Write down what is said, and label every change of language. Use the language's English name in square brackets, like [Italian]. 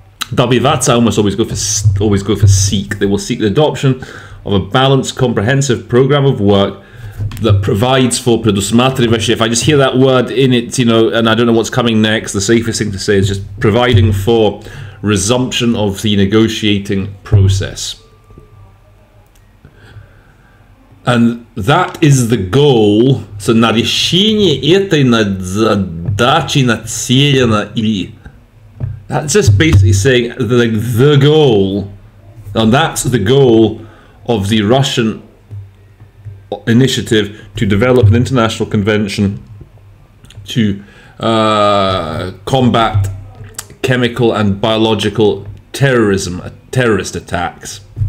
[English] Добиваться, almost always go for seek. They will seek the adoption of a balanced, comprehensive program of work that provides for предусматривающий. If I just hear that word in it, you know, and I don't know what's coming next, the safest thing to say is just providing for resumption of the negotiating process. And that is the goal. [Russian] So на решение этой задачи нацелено и. [English] That's just basically saying the goal, and that's the goal of the Russian initiative to develop an international convention to combat chemical and biological terrorism, terrorist attacks.